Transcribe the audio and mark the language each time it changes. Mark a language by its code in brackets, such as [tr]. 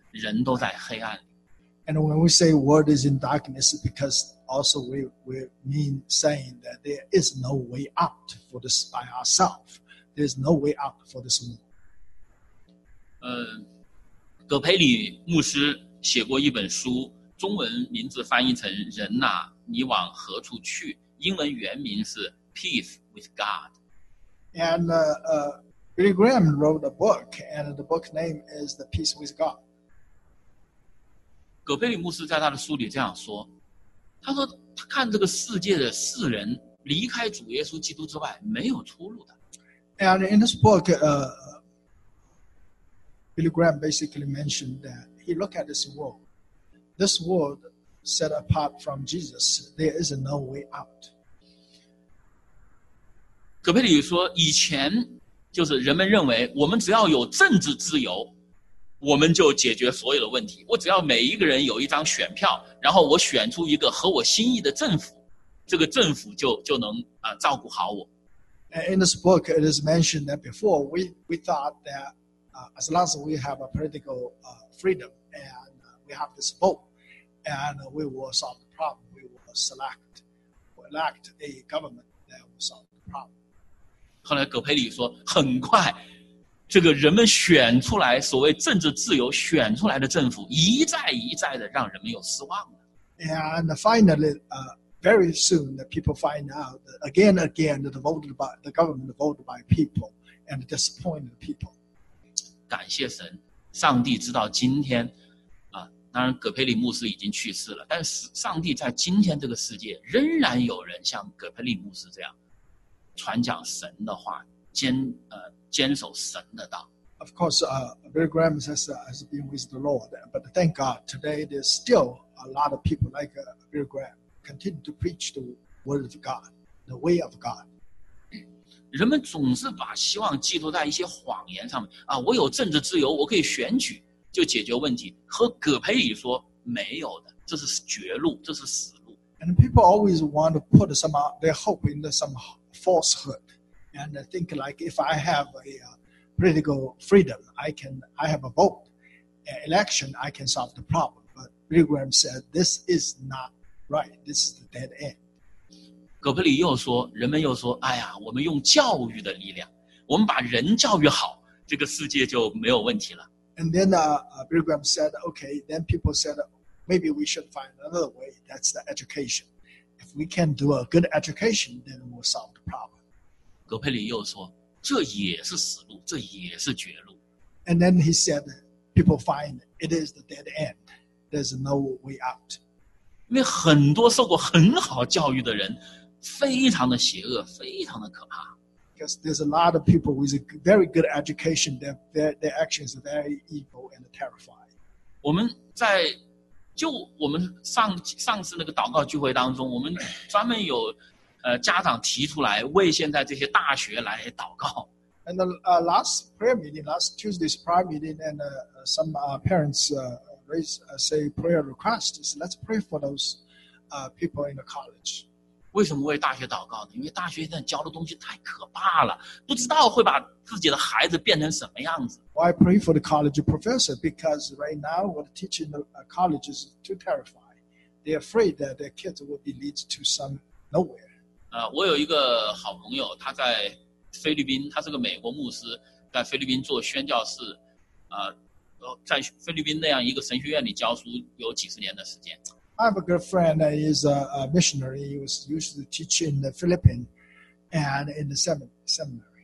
[zh] 人都在黑暗里。 [en] And when we say world is in darkness, because also we mean saying that there is no way out for this by ourselves. There is no way out for this world. [zh] 葛培里牧师写过一本书，中文名字翻译成《人呐，你往何处去》，英文原名是《Peace with God》。 [en] And Billy Graham wrote a book, and the book name is The Peace with God. [zh] 葛培里牧师在他的书里这样说，他说他看这个世界的世人离开主耶稣基督之外没有出路的。 [en] And in this book, Billy Graham basically mentioned that he looked at this world set apart from Jesus, there is no way out. [zh] 葛培里说，以前就是人们认为我们只要有政治自由，我们就解决所有的问题。我只要每一个人有一张选票，然后我选出一个合我心意的政府，这个政府就能照顾好我。 [en] In this book, it is mentioned that before we thought that as long as we have a political freedom and we have this vote, and we will solve the problem, we will elect a government that will solve the problem. [zh] 后来葛培理说，很快。这个人们选出来所谓政治自由选出来的政府一再一再的让人们有失望了。 [en] And finally, very soon the people find out that again and again that the government voted by people and disappointed people. [zh] 感谢神，上帝知道今天，当然葛培理牧师已经去世了，但是上帝在今天这个世界仍然有人像葛培理牧师这样传讲神的话，坚守神的道。 [en] Of course, Billy Graham has been with the Lord, but thank God today there's still a lot of people like Billy Graham continue to preach the word of God, the way of God. [zh] 人们总是把希望寄托在一些谎言上面啊，我有政治自由，我可以选举就解决问题。和葛培理说没有的，这是绝路，这是死路。 [en] And people always want to put some their hope into some falsehood. And I think like if I have a political freedom, I have a vote, an election, I can solve the problem. But Billy Graham said, this is not right. This is the dead end. [zh] 葛培理又说，人们又说，哎呀，我们用教育的力量，我们把人教育好，这个世界就没有问题了。 [en] And then Billy Graham said, okay, then people said, maybe we should find another way. That's the education. If we can do a good education, then we'll solve the problem. [zh] 葛培理又说，这也是死路，这也是绝路。 [en] And then he said, people find it is the dead end. There's no way out. [zh] 因为很多受过很好教育的人非常的邪恶，非常的可怕。 [en] Because there's a lot of people with a very good education, their actions are very evil and terrifying. [zh] 我们在就我们上次那个祷告聚会当中，我们专门有家长提出来为现在这些大学来祷告。 [en] And the last prayer meeting, last Tuesday's prayer meeting, and some parents say prayer request is let's pray for those people in the college. [zh] 为什么为大学祷告呢？因为大学现在教的东西太可怕了，不知道会把自己的孩子变成什么样子。 [en] Why pray for the college professor? Because right now what teaching the college is too terrifying. They're afraid that their kids will be led to some nowhere. [zh] 我有一个好朋友，他在菲律宾，他是个美国牧师，在菲律宾做宣教士，在菲律宾那样一个神学院里教书有几十年的时间。 [en] I have a good friend that is a missionary. He was used to teach in the Philippines and in the seminary.